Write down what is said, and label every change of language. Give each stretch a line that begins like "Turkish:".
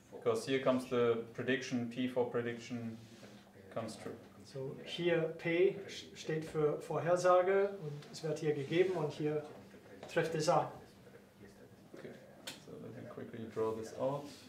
English: Because here comes the prediction, P for prediction, comes true.
German: So hier P steht für Vorhersage und es wird hier gegeben und hier trifft es an.
English: Okay, so let me quickly draw this out.